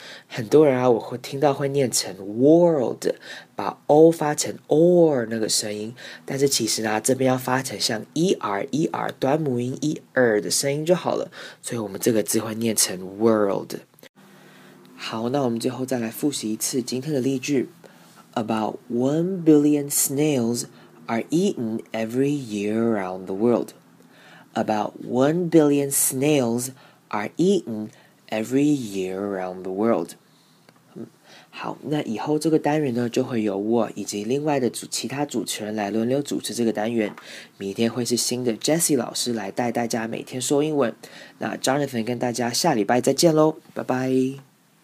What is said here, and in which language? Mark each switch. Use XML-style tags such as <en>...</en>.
<zh>很多人啊，我会听到会念成 world， 把 o 发成 or 那个声音，但是其实呢，这边要发成像 er 端母音 er 的声音就好了，所以我们这个字会念成 world。好，那我们最后再来复习一次今天的例句 ：</zh> <en>About 1 billion snails。 Are eaten every year around the world. About 1 billion snails are eaten every year around the world.</en> <zh>好，那以后这个单元呢，就会由我以及另外的其他主持人来轮流主持这个单元。明天会是新的 Jesse 老师来带大家每天说英文。那 Jonathan 跟大家下礼拜再见喽，拜拜。</zh>